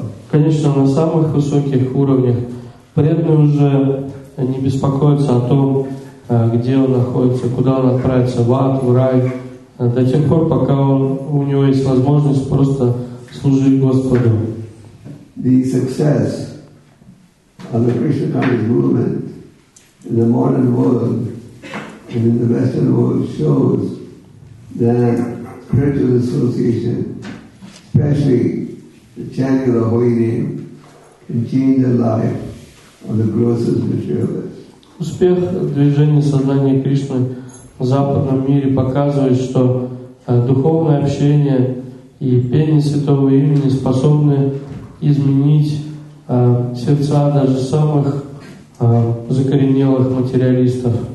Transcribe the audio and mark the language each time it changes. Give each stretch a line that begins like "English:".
Russian: Конечно, на самых высоких уровнях преданный уже не беспокоится о том, где он находится, куда он отправится, в ад, в рай, до тех пор, пока он, у него есть возможность просто служить Господу.
English: The success of the Krishna consciousness movement in the modern world and in the Western world shows that spiritual association, especially the chanting of the holy name, can change the life of the grossest materialist.
Russian: Успех движения сознания Кришны в западном мире показывает, что духовное общение и пение святого имени способны изменить сердца даже самых закоренелых материалистов.